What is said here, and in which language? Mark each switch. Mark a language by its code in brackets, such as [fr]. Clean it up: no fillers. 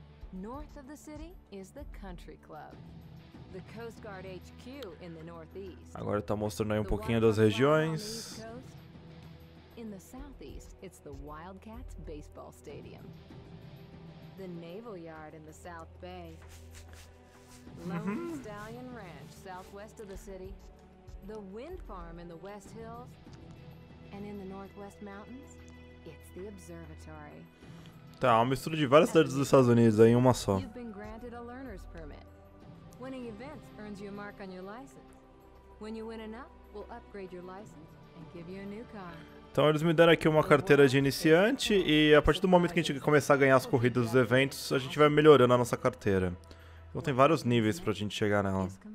[en] North of the city is the Country Club. The Coast Guard HQ in the northeast. [pt] Agora tá mostrando aí um pouquinho das regiões. [en] In the southeast, it's the Wildcats baseball stadium. The Naval Yard in the South Bay. Lone Stallion Ranch southwest of the city. The Wind Farm in the West Hills. And in the Northwest Mountains, it's the Observatory. [pt] Tá, uma mistura de várias cidades dos Estados Unidos aí em uma só. [en] You've been granted a learner's permit. Winning events earns you a mark on your license. When you win enough, we'll upgrade your license and give you a new car. [pt] Então eles me deram aqui uma carteira de iniciante e a partir do momento que a gente começar a ganhar as corridas dos eventos, a gente vai melhorando a nossa carteira. Então tem vários níveis pra gente chegar nela.